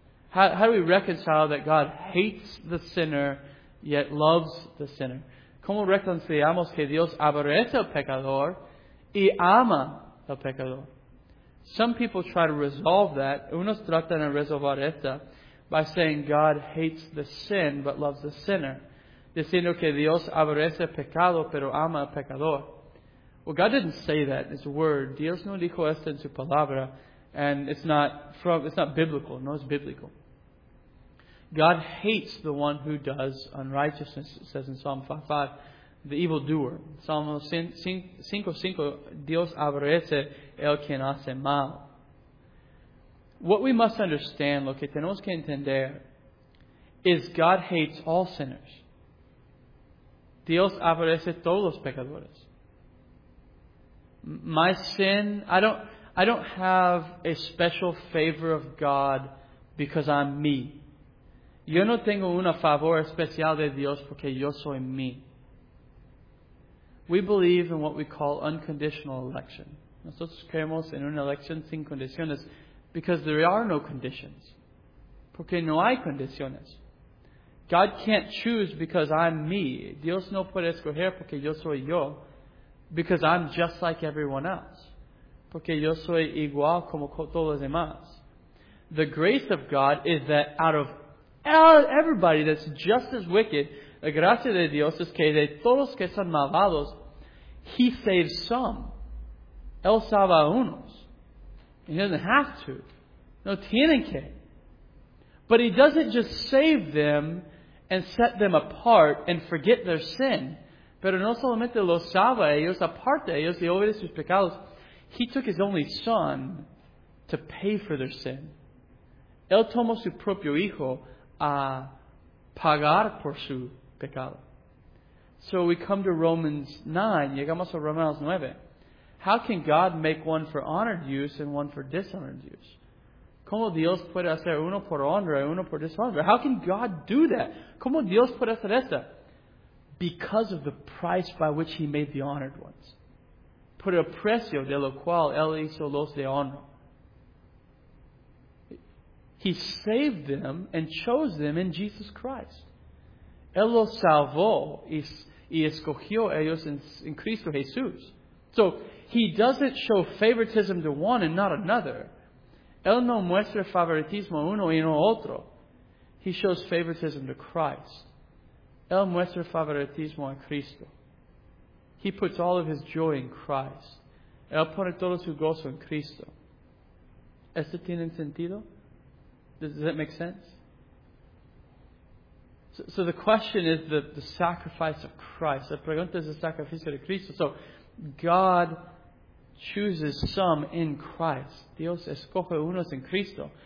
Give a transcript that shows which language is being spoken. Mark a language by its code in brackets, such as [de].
[en] How do we reconcile that God hates the sinner yet loves the sinner? [es] ¿Cómo reconciliamos que Dios aborrece al pecador y ama al pecador? [en] Some people try to resolve that. [es] Unos tratan de resolver esto [en] by saying God hates the sin but loves the sinner. [es] Diciendo que Dios aborrece el pecado, pero ama al pecador. [en] Well, God didn't say that in His Word. [es] Dios no dijo esto en su palabra. [en] And it's not biblical. No, it's biblical. God hates the one who does unrighteousness, it says in Psalm 5:5, the evildoer. [es] Psalm 5:5, Dios aborrece el quien hace mal. [en] What we must understand, [es] lo que tenemos que entender, [en] is God hates all sinners. [es] Dios aborrece todos los pecadores. [en] My sin, I don't have a special favor of God because I'm me. [es] Yo no tengo un favor especial de Dios porque yo soy me. [en] We believe in what we call unconditional election. [es] Nosotros creemos en una elección sin condiciones [en] because there are no conditions. [es] Porque no hay condiciones. [en] God can't choose because I'm me. [es] Dios no puede escoger porque yo soy yo. [en] Because I'm just like everyone else. [es] Porque yo soy igual como todos los demás. [en] The grace of God is that out of everybody that's just as wicked, [es] la gracia de Dios es que de todos que son malvados, [en] He saves some. [es] Él salva a unos. [en] He doesn't have to. [es] No tienen que. [en] But He doesn't just save them and set them apart and forget their sin. [es] Pero no solamente los salva ellos aparte, ellos de obedecer sus pecados. [en] He took His only Son to pay for their sin. [es] Él tomó su propio Hijo a pagar por su pecado. [en] So we come to Romans 9, [es] llegamos a Romanos 9. [en] How can God make one for honored use and one for dishonored use? [es] ¿Cómo Dios puede hacer uno por honra y uno por deshonra? [en] How can God do that? [es] ¿Cómo Dios puede hacer eso? [en] Because of the price by which He made the honored ones. [es] Por el precio de lo cual Él hizo los de honra. [en] He saved them and chose them in Jesus Christ. [es] Él los salvó y escogió ellos en Cristo Jesús. [en] So, He doesn't show favoritism to one and not another. [es] Él no muestra favoritismo uno y no otro. [en] He shows favoritism to Christ. [es] Él muestra favoritismo a Cristo. [en] He puts all of his joy in Christ. [es] Él pone todo su gozo en Cristo. ¿Esto tiene sentido? [en] Does that make sense? So the question is the sacrifice of Christ. [es] La pregunta es el sacrificio de Cristo. [en] So God chooses some in Christ. [es] Dios escoge unos en Cristo.